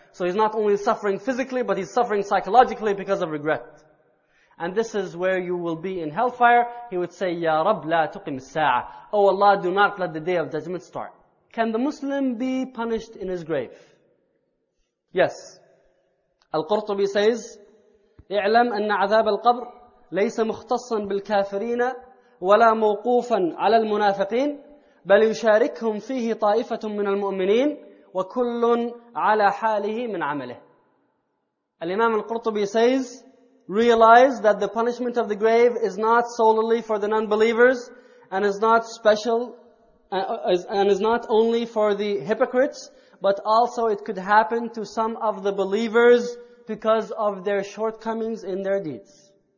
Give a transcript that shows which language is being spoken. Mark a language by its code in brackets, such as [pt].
[en] So he's not only suffering physically, but he's suffering psychologically because of regret. And this is where you will be in hellfire. He would say, [ar] Ya Rab, la tuqim sa'a. [en] Oh Allah, do not let the day of judgment start. Can the Muslim be punished in his grave? Yes. [ar] Al-Qurtubi says, اعلم أن عذاب القبر ليس مختصا بالكافرين ولا موقوفا على المنافقين بل يشاركهم فيه طائفة من المؤمنين وكل على حاله من عمله. [en] Al-Imam Al-Qurtubi says, realize that the punishment of the grave is not solely for the non-believers, and is not special, and is not only for the hypocrites, but also it could happen to some of the believers because of their shortcomings in their deeds.